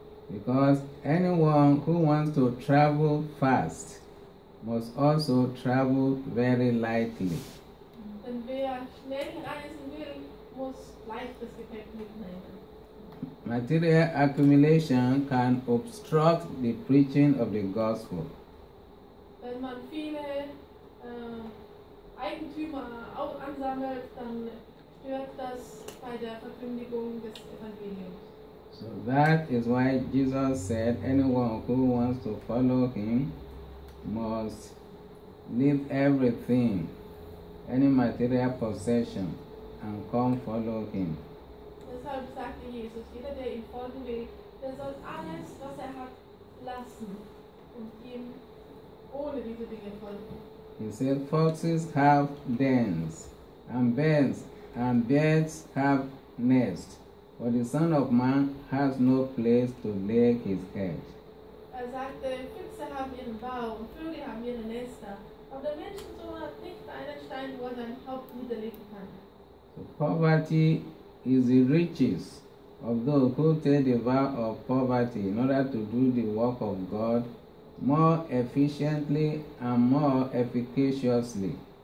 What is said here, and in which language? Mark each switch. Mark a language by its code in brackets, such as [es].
[en] Because anyone who wants to travel fast must also travel very lightly. [de] Denn wer schnell reisen will, muss leichtes Gepäck mitnehmen. [en] Material accumulation can obstruct the preaching of the gospel. [de] Wenn man viele Eigentümer ansammelt, dann stört das bei der Verkündigung des Evangeliums. [en] So that is why Jesus said anyone who wants to follow him must leave everything, any material possession, and come follow him. [de] Deshalb sagte Jesus, jeder der ihm folgen will, der soll alles, was hat, lassen und ihm ohne diese Dinge folgen. [en] He said, foxes have dens, and birds have nests. For the Son of Man has no place to lay his head. [de] Er sagte, Füchse haben ihren Bau und Vögel haben ihre Nester, aber der Menschensohn hat nicht einen Stein, wo er sein Haupt niederlegen kann. [en] So poverty is the riches of those who take the vow of poverty in order to do the work of God more efficiently and more efficaciously.